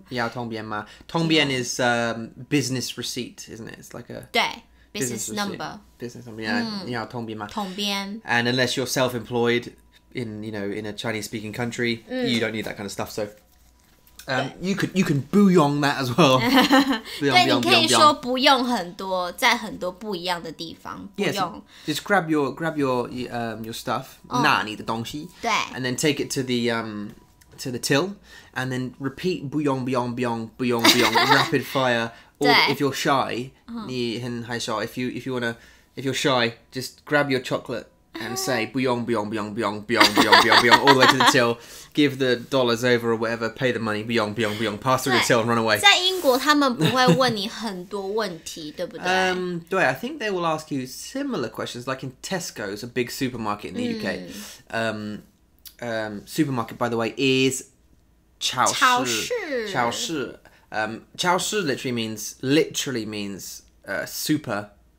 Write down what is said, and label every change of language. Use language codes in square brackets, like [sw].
[zh] 要通边吗通边 [en] is business receipt isn't it? It's like a [zh] 对 [en] business number Business number、yeah. [zh] 要通边吗通边 [en] And unless you're self-employed in, you know, in a Chinese speaking country、嗯、 you don't need that kind of stuff soYou can [zh] 不用 [en] that as well. [zh] 对，你可以说不用很多，在很多不一样的地方不用。 [en] Just grab your stuff. [zh] 拿你的东西。对。 [en] And then take it to the till, and then repeat [zh] 不用不用不用不用不用 [en] rapid fire. Or if you're shy, [zh] 你很害羞。 [en] If you're shy, just grab your chocolate. And say, [zh] 不用不用不用不用不用不用不用不用 [en] all the way to the till. Give the dollars over or whatever, pay the money, [zh] 不用不用不用 [en] pass through the till and run away. [zh] 在英国他们不会问你很多问题对不对对 [en] I think they will ask you similar questions, like in Tesco, it's a big supermarket in the UK. Supermarket, by the way, is [zh] 超市 [en] literally means super.